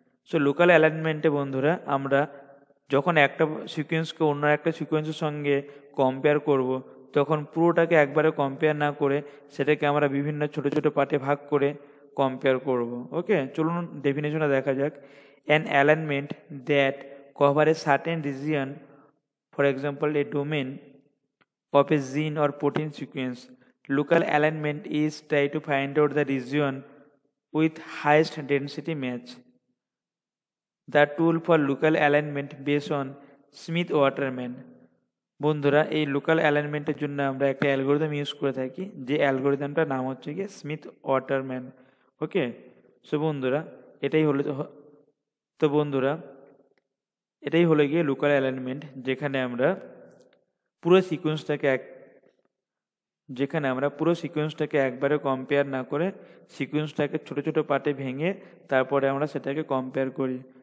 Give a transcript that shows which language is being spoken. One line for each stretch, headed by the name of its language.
Bangla: So local অ্যালাইনমেন্টে বন্ধুরা আমরা যখন একটা সিকোয়েন্সকে অন্য একটা সিকোয়েন্সের সঙ্গে কম্পেয়ার করব, তখন পুরোটাকে একবারে কম্পেয়ার না করে সেটাকে আমরা বিভিন্ন ছোটো ছোটো পার্টে ভাগ করে কম্পেয়ার করব।
English: okay,
Bangla: চলুন ডেফিনেশনটা দেখা যাক।
English: An alignment that cover a certain region, for example a domain of a gene or protein sequence. Local alignment is try to find out the region with highest density match. The tool for local alignment based on Smith-Waterman.
Bangla: বন্ধুরা এই local অ্যালাইনমেন্টের জন্য আমরা একটা algorithm use করে থাকি, যে অ্যালগোরিদমটার নাম হচ্ছে গিয়ে স্মিথ ওয়াটারম্যান। ওকে, সো বন্ধুরা এটাই হলো, তো বন্ধুরা এটাই হলো গিয়ে লোকাল অ্যালাইনমেন্ট, যেখানে আমরা পুরো সিকোয়েন্সটাকে এক যেখানে আমরা পুরো সিকোয়েন্সটাকে একবারে কম্পেয়ার না করে সিকোয়েন্সটাকে ছোটো ছোটো পার্টে ভেঙে তারপরে আমরা সেটাকে কম্পেয়ার করি।